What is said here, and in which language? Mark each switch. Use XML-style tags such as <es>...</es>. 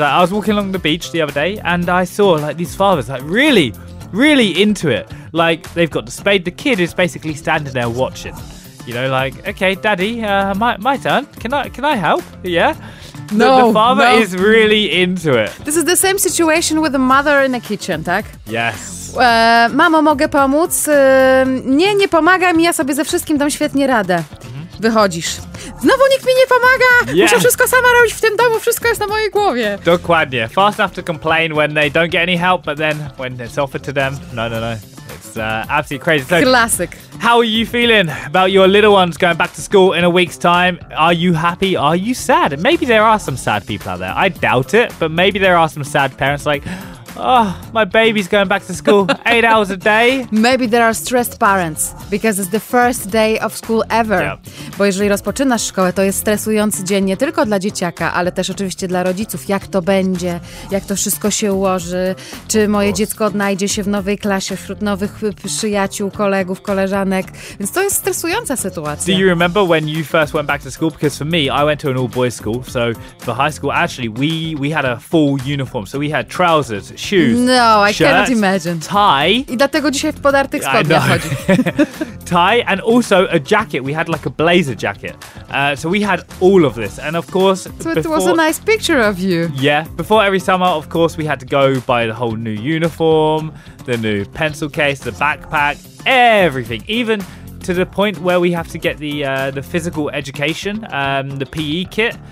<en>I was walking along the beach the other day and I saw like these fathers like really, really into it. Like they've got the spade. The kid is basically standing there watching. You know, like, okay, daddy, my turn. Can I help? Yeah. No. The father is really into it. This is the same situation with a mother in the kitchen, tak? Yes.</en> <pl>Mamo, mogę pomóc? Nie pomagam, ja sobie ze wszystkim dam świetnie radę. Wychodzisz. Znowu nikt mi nie pomaga!</pl> <en>Yeah.</en> <pl>Muszę wszystko sama robić w tym domu, wszystko jest na mojej głowie. Dokładnie.</pl> <en>Fast enough to complain when they don't get any help, but then when it's offered to them, no. It's absolutely crazy. So, classic. How are you feeling about your little ones going back to school in a week's time? Are you happy? Are you sad? Maybe there are some sad people out there. I doubt it, but maybe there are some sad parents like, oh, my baby's going back to school 8 hours a day. Maybe there are stressed parents because it's the first day of school ever. Yeah.</en> <pl>Bo jeżeli rozpoczynasz szkołę, to jest stresujący dzień nie tylko dla dzieciaka, ale też oczywiście dla rodziców. Jak to będzie? Jak to wszystko się ułoży? Czy moje dziecko odnajdzie się w nowej klasie wśród nowych przyjaciół, kolegów, koleżanek? Więc to jest stresująca sytuacja.</pl> <en>Do you remember when you first went back to school? Because for me, I went to an all-boys school. So for high school, actually, we had a full uniform. So we had trousers, shoes, no, I shirt, cannot imagine. Tie.</en> <pl>I dlatego dzisiaj w podartych spodniach chodzi.</pl> <en>Tie and also a jacket. We had like a blazer jacket. So we had all of this. And of course, so it was a nice picture of you. Yeah. Before every summer, of course, we had to go buy the whole new uniform, the new pencil case, the backpack, everything. Even to the point where we have to get the physical education, the PE kit.</en>